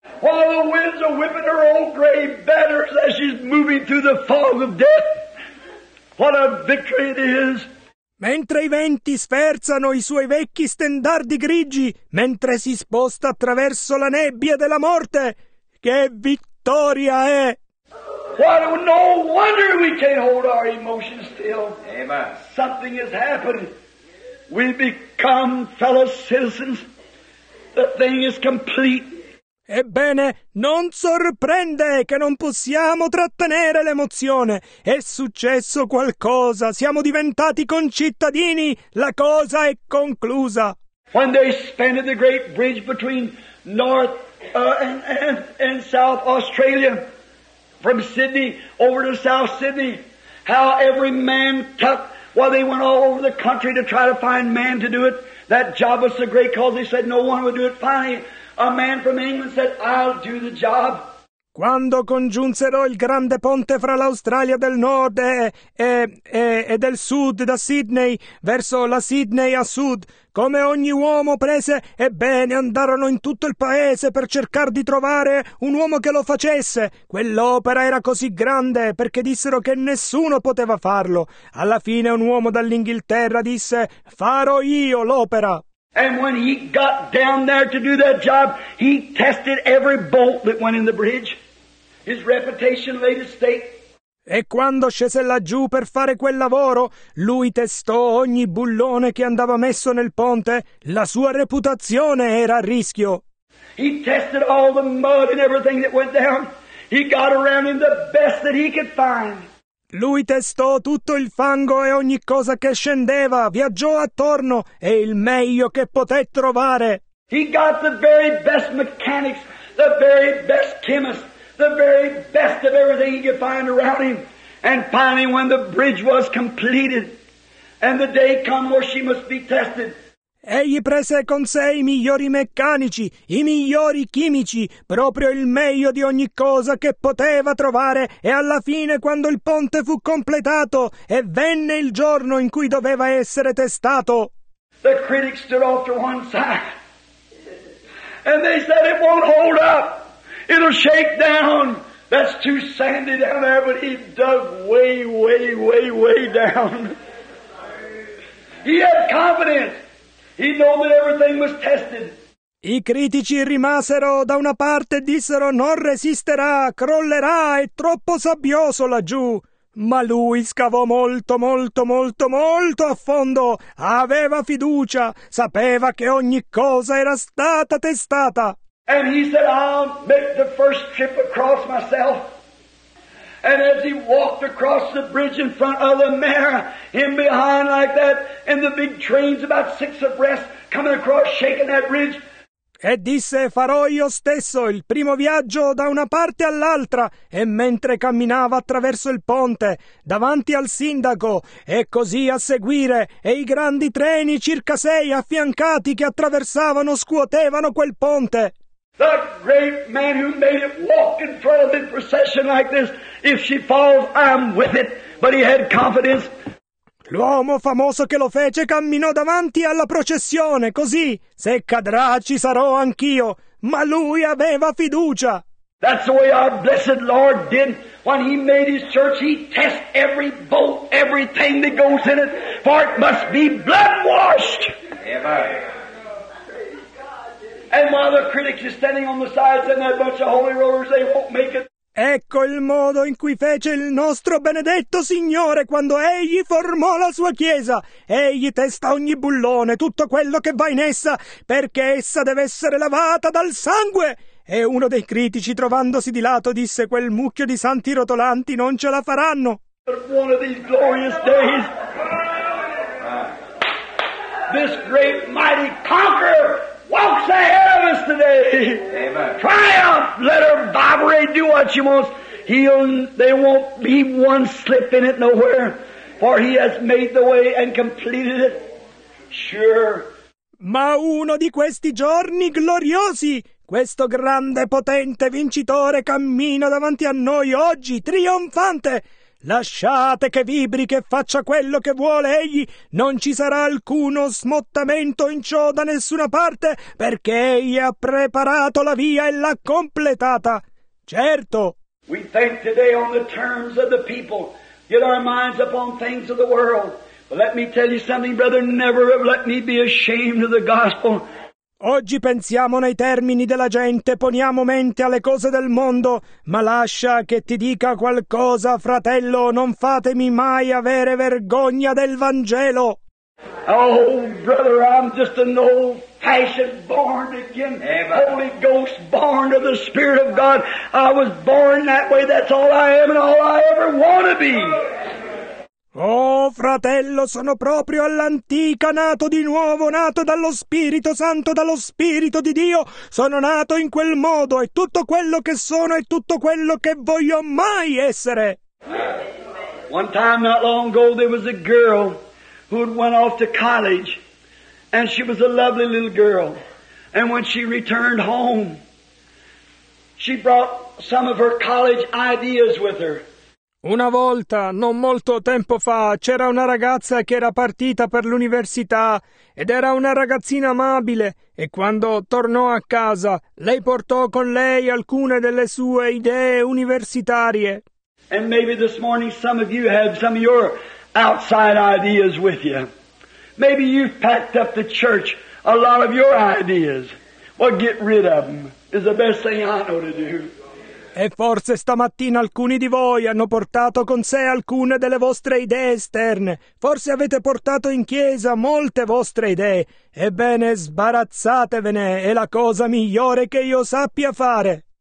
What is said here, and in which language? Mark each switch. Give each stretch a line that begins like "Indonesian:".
English: While the winds are whipping her old grave banners as she's moving through the fog of death, what a victory it is!
Italian: Mentre i venti sferzano i suoi vecchi stendardi grigi, mentre si sposta attraverso la nebbia della morte, che vittoria è!
English: What a, no wonder we can't hold our emotions still. Amen. Something has happened. We become fellow citizens. The thing is complete.
Italian: Ebbene, non sorprende che non possiamo trattenere l'emozione. È successo qualcosa. Siamo diventati concittadini. La cosa è conclusa.
English: When they spanned the great bridge between North and South Australia, from Sydney over to South Sydney, how every man took, while they went all over the country to try to find man to do it. That job was so great because they said no one would do it. Finally, a man from England said, I'll do the job.
Italian: Quando congiunsero il grande ponte fra l'Australia del Nord e del Sud da Sydney verso la Sydney a Sud, come ogni uomo prese, ebbene andarono in tutto il paese per cercare di trovare un uomo che lo facesse. Quell'opera era così grande perché dissero che nessuno poteva farlo. Alla fine un uomo dall'Inghilterra disse, farò io l'opera.
English: And when he got down there to do that job, he tested every bolt that went in the bridge. His reputation laid at stake.
Italian: E quando scese laggiù per fare quel lavoro, lui testò ogni bullone che andava messo nel ponte. La sua reputazione era a rischio.
English: He tested all the mud and everything that went down. He got around him the best that he could find.
Italian: Lui testò tutto il fango e ogni cosa che scendeva, viaggiò attorno e il meglio che poté trovare.
English: He got the very best mechanics, the very best chemists, the very best of everything he could find around him. And finally, when the bridge was completed and the day come where she must be tested,
Italian: egli prese con sé i migliori meccanici, i migliori chimici, proprio il meglio di ogni cosa che poteva trovare, e alla fine, quando il ponte fu completato, e venne il giorno in cui doveva essere testato.
English: The critics stood off to one side, and they said, it won't hold up, it'll shake down, that's too sandy down there, but he dug way, way, way, way down. He had confidence. He knew that everything was tested.
Italian: I critici rimasero da una parte e dissero non resisterà, crollerà, è troppo sabbioso laggiù. Ma lui scavò molto, molto, molto, molto a fondo. Aveva fiducia, sapeva che ogni cosa era stata testata.
English: And he said, I'll make the first trip across myself. And as he walked across the bridge in front of the mare, him behind like that, and the big trains about six abreast coming across, shaking that bridge.
Italian: E disse, farò io stesso il primo viaggio da una parte all'altra. E mentre camminava attraverso il ponte, davanti al sindaco, e così a seguire, e i grandi treni, circa sei affiancati, che attraversavano, scuotevano quel ponte.
English: The great man who made it walk in front of the procession like this. If she falls, I'm with it. But he had confidence.
Italian: L'uomo famoso che lo fece camminò davanti alla processione, così. Se cadrà, ci sarò anch'io. Ma lui aveva fiducia.
English: That's the way our blessed Lord did. When he made his church, he test every bolt, everything that goes in it. For it must be blood washed. Amen. And while the critics are standing on the sides and that bunch of holy rollers, they won't make it.
Italian: Ecco il modo in cui fece il nostro benedetto Signore quando egli formò la sua chiesa. Egli testa ogni bullone, tutto quello che va in essa, perché essa deve essere lavata dal sangue. E uno dei critici, trovandosi di lato, disse, quel mucchio di santi rotolanti non ce la faranno.
English: One of these glorious days, this great mighty conqueror walks ahead of us today. Amen. Triumph! Let her vibrate, do what she wants. There won't be one slip in it nowhere, for he has made the way and completed it. Sure.
Italian: Ma uno di questi giorni gloriosi, Questo grande, potente vincitore cammina davanti a noi oggi, trionfante! Lasciate che vibri, che faccia quello che vuole egli, non ci sarà alcuno smottamento in ciò da nessuna parte, perché egli ha preparato la via e l'ha completata. Certo!
English: We think today on the terms of the people, get our minds upon things of the world. But let me tell you something, brother, never let me be ashamed of the gospel.
Italian: Oggi pensiamo nei termini della gente, poniamo mente alle cose del mondo, ma lascia che ti dica qualcosa, fratello, non fatemi mai avere vergogna del Vangelo.
English: Oh, brother, I'm just an old fashioned born again, Holy Ghost born of the Spirit of God. I was born that way, that's all I am and all I ever want to be.
Italian: Oh, fratello, sono proprio all'antica, nato di nuovo, nato dallo Spirito Santo, dallo Spirito di Dio. Sono nato in quel modo, e tutto quello che sono è tutto quello che voglio mai essere.
English: One time not long ago there was a girl who had went off to college, and she was a lovely little girl. And when she returned home, she brought some of her college ideas with her.
Italian: Una volta, non molto tempo fa, c'era una ragazza che era partita per l'università ed era una ragazzina amabile e quando tornò a casa, lei portò con lei alcune delle sue idee universitarie.
English: And maybe this morning some of you have some of your outside ideas with you. Maybe you've packed up the church a lot of your ideas. Well, get rid of them is the best thing I know to do.
Italian: E forse stamattina alcuni di voi hanno portato con sé alcune delle vostre idee esterne. Forse avete portato in chiesa molte vostre idee. Ebbene, sbarazzatevene, è la cosa migliore che io sappia fare.